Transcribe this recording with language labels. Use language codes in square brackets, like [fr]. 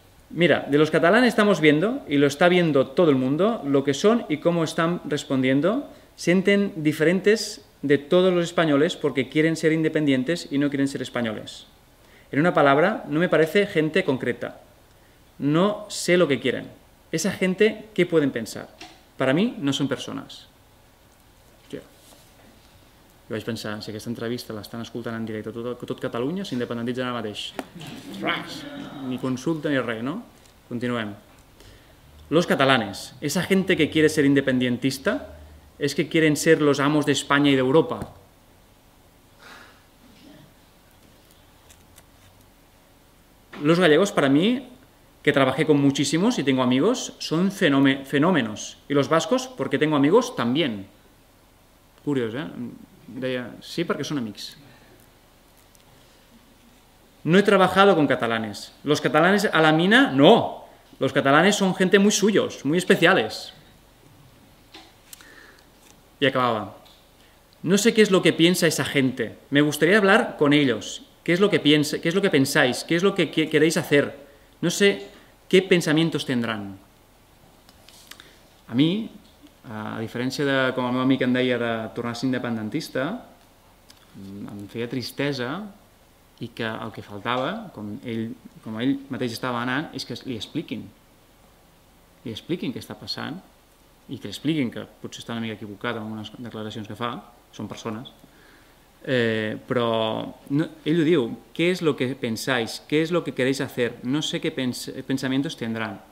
[es] Mira, de los catalanes estamos viendo, y lo está viendo todo el mundo, lo que son y cómo están respondiendo. Sienten diferentes de todos los españoles porque quieren ser independientes y no quieren ser españoles. En una palabra, no me parece gente concreta. No sé lo que quieren. Esa gente, ¿qué pueden pensar? Para mí, no son personas. [ca] Jo vaig pensar, si aquesta entrevista l'estan escoltant en directe tot Catalunya, s'independentitza ara mateix. Ni consulta ni res, no? Continuem. [es] Los catalanes, esa gente que quiere ser independentista es que quieren ser los amos de España y de Europa. Los gallegos, para mí, que trabajé con muchísimos y tengo amigos, son fenómenos. Y los vascos, porque tengo amigos, también. [ca] Curios, eh? Deia, sí, perquè són amics. [es] No he trabajado con catalanes. Los catalanes a la mina, no. Los catalanes son gente muy suyos, muy especiales. [ca] I acabava. [es] No sé qué es lo que piensa esa gente. Me gustaría hablar con ellos. ¿Qué es lo que piensa, qué es lo que pensáis? ¿Qué es lo que queréis hacer? No sé qué pensamientos tendrán. A mí... [ca] A diferència de com el meu amic em deia de tornar a ser independentista, em feia tristesa i que el que faltava, com ell mateix estava anant, és que li expliquin què està passant i que li expliquin que potser està una mica equivocat amb unes declaracions que fa, són persones, però no, ell ho diu, què és el que pensais, què és el que quereix fer, no sé què pensamientos tindran.